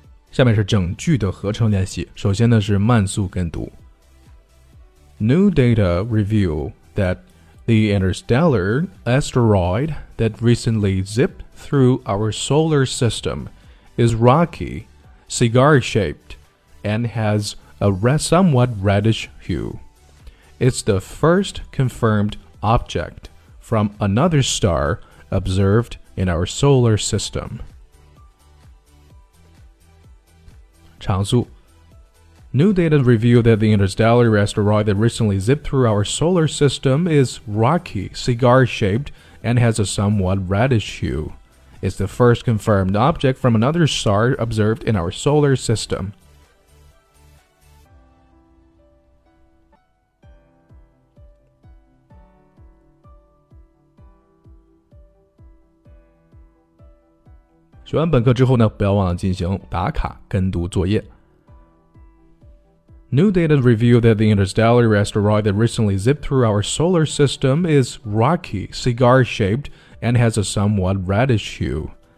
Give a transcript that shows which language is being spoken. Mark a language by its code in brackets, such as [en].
[zh] 下面是整句的合成练习。首先呢是慢速跟读。 [en] New data reveal that the interstellar asteroid that recently zipped through our solar system is rocky, cigar-shaped, and has a somewhat reddish hue. It's the first confirmed object from another star observed in our solar system. [zh] 长速 [en] New data revealed that the interstellar asteroid that recently zipped through our solar system is rocky, cigar-shaped, and has a somewhat reddish hue. It's the first confirmed object from another star observed in our solar system. [zh] 学完本课之后呢，不要忘了进行打卡跟读作业。 [en] New data revealed that the interstellar asteroid that recently zipped through our solar system is rocky, cigar-shaped, and has a somewhat reddish hue.